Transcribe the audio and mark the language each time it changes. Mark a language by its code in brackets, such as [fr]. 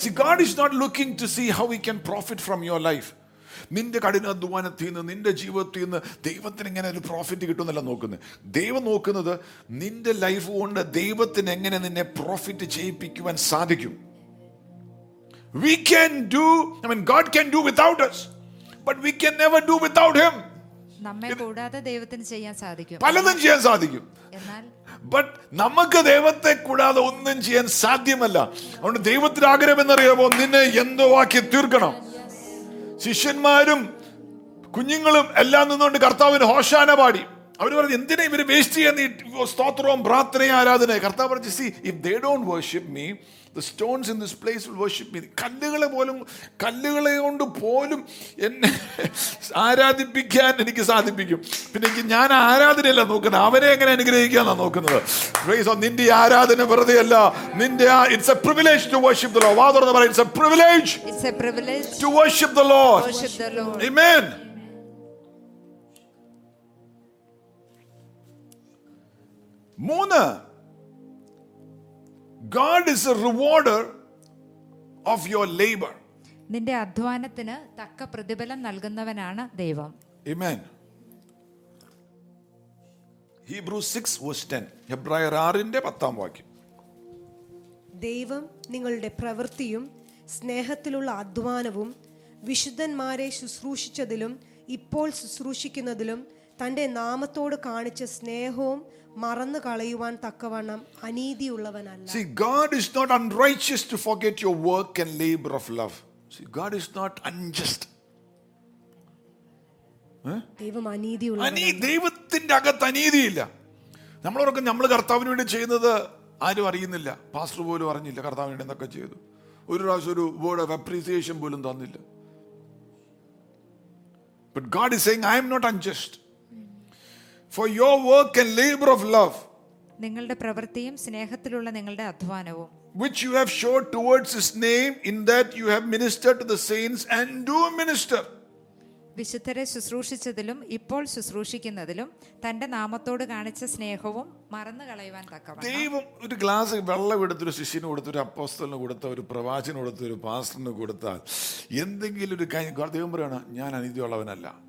[en] See, God is not looking to see how he can profit from your life. [ml] നിന്റെ കഠിനാധ്വാനത്തിൽ നിന്ന് നിന്റെ ജീവിതത്തിൽ നിന്ന് ദൈവത്തിന് എങ്ങനെ ഒരു പ്രോഫിറ്റ് കിട്ടുമെന്നല്ല നോക്കുന്നത്. ദൈവം നോക്കുന്നത് നിന്റെ ലൈഫ് കൊണ്ട് ദൈവത്തിന് എങ്ങനെ നിന്നെ പ്രോഫിറ്റ് ചെയ്യിപ്പിക്കുവാൻ സാധിക്കും. [en] We can do, I mean, God can do without us, but we can never do without him. [ml] പലതും ചെയ്യാൻ സാധിക്കും, എന്നാൽ നമുക്ക് ദൈവത്തെ കൂടാതെ ഒന്നും ചെയ്യാൻ സാധ്യമല്ല. അതുകൊണ്ട് ദൈവത്തിന് ആഗ്രഹം എന്നറിയാമോ, നിന്നെ എന്തോ ആക്കി തീർക്കണം. ശിഷ്യന്മാരും കുഞ്ഞുങ്ങളും എല്ലാം നിന്നുകൊണ്ട് കർത്താവിന് ഹോഷാന പാടി. അവർ പറഞ്ഞു, എന്തിനാ ഇവര് വേസ്റ്റ് ചെയ്യുന്നത് സ്തോത്രവും പ്രാർത്ഥനയും ആരാധനയും. കർത്താവ് പറഞ്ഞു, [en] see, if they don't worship me, the stones in this place will worship me. [ml] കല്ലുകളെ പോലും കല്ലുകളെ കൊണ്ട് പോലും എന്നെ ആരാധിപ്പിക്കാൻ എനിക്ക് സാധിപ്പിക്കും. പിന്നെ എനിക്ക് ഞാൻ ആരാധനയല്ല നോക്കുന്നത്, അവരെ എങ്ങനെ അനുഗ്രഹിക്കാന്നാ നോക്കുന്നത്. Price on. നിന്റെ ആരാധന വെറുതെ അല്ല, നിന്റെ [en] It's a privilege to worship the lord. [ml] വാദർന്ന് പറയ, [en] It's a privilege to worship the lord. [ml] ആമേൻ. [en] മൂന്ന്, God is a rewarder of your labor. [ml] നിന്റെ അധ്വാനത്തിന് തക്ക പ്രതിഫലം നൽകുന്നവനാണ് ദൈവം. [en] Amen. [ml] Hebrews 6:10. ഹെബ്രായർ 6:10 പത്താം വാക്യം. ദൈവം നിങ്ങളുടെ പ്രവൃത്തിയും സ്നേഹത്തിലുള്ള അധ്വാനവും വിശുദ്ധന്മാരെ ശുശ്രൂഷിച്ചതിലും ഇപ്പോൾ ശുശ്രൂഷിക്കുന്നതിലും തന്റെ നാമത്തോട് കാണിച്ച സ്നേഹവും മറന്നു കളയുവാൻ തക്കവണ്ണം അനീതിയുള്ളവനല്ല. [en] See, God is not unrighteous to forget your work and labor of love. See, God is not unjust. [ml] ദൈവം അനീതിയുള്ള ദൈവത്തിന്റെ അകത്ത് അനീതിയില്ല. നമ്മളോടൊക്കെ നമ്മൾ കർത്താവിന് വേണ്ടി ചെയ്യുന്നത് ആരും അറിയുന്നില്ല. പാസ്റ്റർ പോലും അറിഞ്ഞില്ല കർത്താവിന് വേണ്ടി എന്തൊക്കെ ചെയ്തു. ഒരു പ്രാവശ്യം ഒരു [en] word of appreciation [ml] പോലും തന്നില്ല. [en] But God is saying, I am not unjust. For your work and labor of love, [ml] നിങ്ങളുടെ പ്രവൃത്തിയും സ്നേഹത്തിലുള്ള നിങ്ങളുടെ അധ്വാനവും, [en] which you have showed towards his name in that you have ministered to the saints and do minister. [ml] വിശുദ്ധരെ ശുശ്രൂഷിച്ചതിലും ഇപ്പോൾ ശുശ്രൂഷിക്കുന്നതിലും തന്റെ നാമത്തോട് കാണിച്ച സ്നേഹവും മറന്നു കളയുവാൻ തക്കവണ്ണം. ദൈവം ഒരു ഗ്ലാസ് വെള്ളം എടുത്ത് ഒരു ശിഷ്യന് കൊടുത്ത്, ഒരു അപ്പോസ്തലിന് കൊടുത്ത്, ഒരു പ്രവാചകന് കൊടുത്ത്, ഒരു പാസ്റ്ററിന് കൊടുത്താൽ എന്തെങ്കിലും ഒരു കാര്യം ദൈവം പറയണം, ഞാൻ അനീതിയുള്ളവനല്ല.